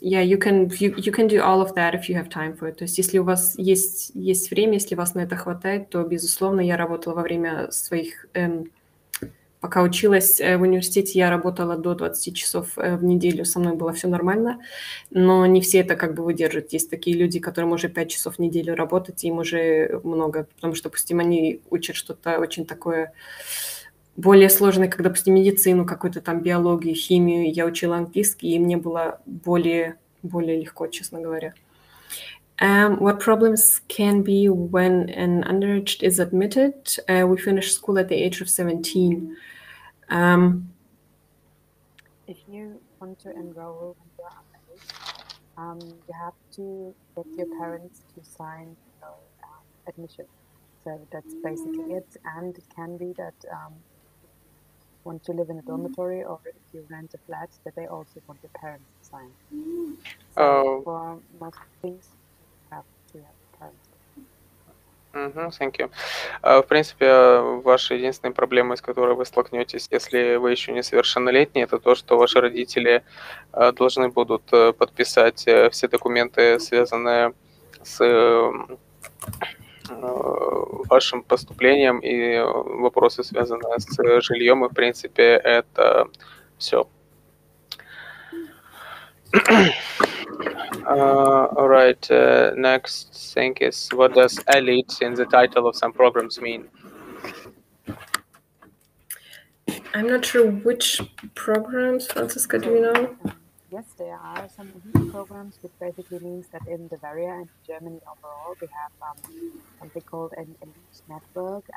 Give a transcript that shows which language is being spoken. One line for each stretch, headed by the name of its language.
English: Yeah, you can do all of that if you have time for it.
Russian: То есть, если у вас есть время, если вас на это хватает, то безусловно, я работала во время своих пока училась в университете, я работала до 20 часов в неделю. Со мной было все нормально, но не все это как бы выдержат. Есть такие люди, которым уже 5 часов в неделю работать, им уже много, потому что, допустим, они учат что-то очень такое. Более сложные, как, допустим, медицину, какую-то там биологию, химию. Я учила английский, и мне было более легко, честно говоря.
English: What problems can be when an underage is admitted? We finish school at the age of 17. If you want to enroll when you're underage, you have to get your parents to sign your admission. So that's basically it. And it can be that... want to live in a dormitory, or if you rent a flat, that they also want your parents to sign. So for most things, you have to have parents. Mm-hmm, thank you.
Russian: В принципе, ваша единственная проблема, с которой вы столкнетесь, если вы еще не совершеннолетний, это то, что ваши родители должны будут подписать все документы, связанные с вашим поступлением и вопросы, связанные с жильем, и, в принципе, это все.
English: All right, next thing is, what does elite in the title of some programs mean? I'm not sure which programs, Francesca, do you know? Yes, there are some elite programs, which basically means that in Bavaria and Germany overall, we have something called an elite network.